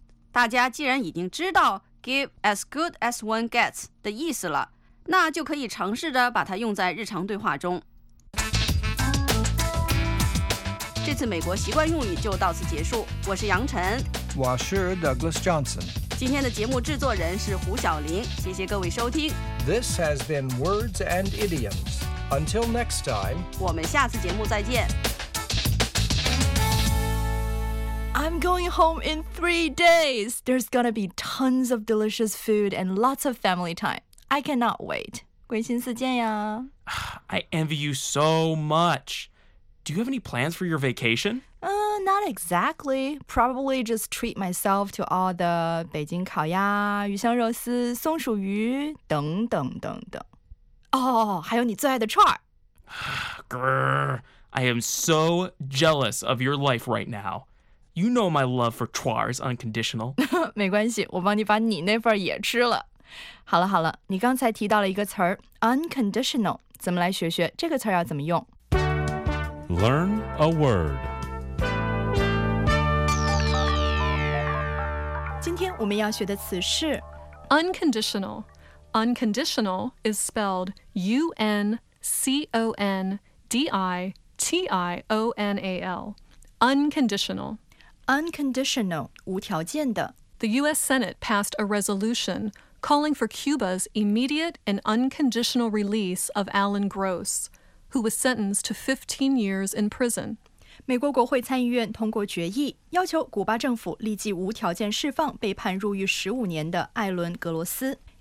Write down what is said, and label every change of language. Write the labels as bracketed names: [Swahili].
[Chinese] 这个习惯用语的准确用法的历史并不久远，只有几十年。大家既然已经知道 [English] give as good as one gets [Chinese] 的意思了，那就可以尝试着把它用在日常对话中。这次美国习惯用语就到此结束。我是杨晨，我是Douglas Johnson。今天的节目制作人是胡晓玲。谢谢各位收听。 [English] This has been Words and Idioms. Until next time. [Chinese] 我们下次节目再见。 [English] I'm going home in 3 days. There's gonna be tons of delicious food and lots of family time. I cannot wait. [Chinese] 归心似箭呀。 [English] I envy you so much. Do you have any plans for your vacation? Not exactly. Probably just treat myself to all the [Chinese] 北京烤鸭、鱼香肉丝、松鼠鱼等等等等. [English] Oh, [Chinese] 还有你最爱的串儿. [English] Grr, I am so jealous of your life right now. You know my love for串儿is unconditional. [Chinese] 没关系，我帮你把你那份也吃了。好了好了，你刚才提到了一个词儿 unconditional， 咱们来学学这个词儿要怎么用。 [English] Learn a word. [Chinese] 今天我们要学的词是 [English] unconditional. Unconditional is spelled UNCONDITIONAL. Unconditional. Unconditional, [Chinese] 无条件的. [English] The US Senate passed a resolution calling for Cuba's immediate and unconditional release of Alan Gross, who was sentenced to 15 years in prison. [Chinese] 美国国会参议院通过决议，要求古巴政府立即无条件释放被判入狱15年的艾伦·格罗斯。